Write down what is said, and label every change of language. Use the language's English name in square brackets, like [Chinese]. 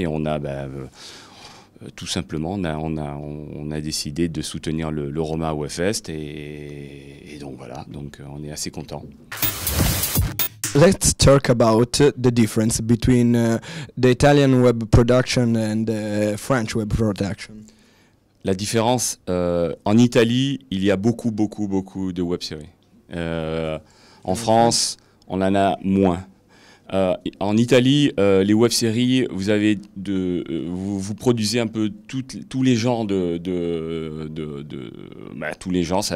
[French] Et on a tout simplement, on a décidé de soutenir le Roma Web Fest et donc voilà, donc on est assez content. [English] Let's talk about the difference between the Italian web production and the French web production. [French] La différence, en Italie, il y a beaucoup, beaucoup, beaucoup de web séries. En France, on en a moins. En Italie, les web-séries, vous produisez un peu tous les genres tous les genres.